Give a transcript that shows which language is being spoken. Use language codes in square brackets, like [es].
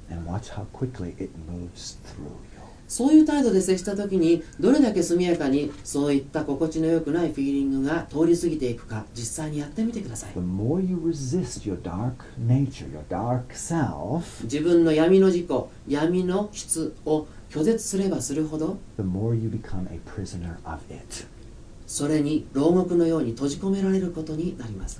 [en] And watch how quickly it moves through you. [ja] そういう態度で接したときに、どれだけ速やかにそういった心地の良くないフィーリングが通り過ぎていくか、実際にやってみてください。 [en] The more you resist your dark nature, your dark self, [ja] 自分の闇の自己、闇の質を拒絶すればするほど、 [en] The more you become a prisoner of it. [ja] それに牢獄のように閉じ込められることになります。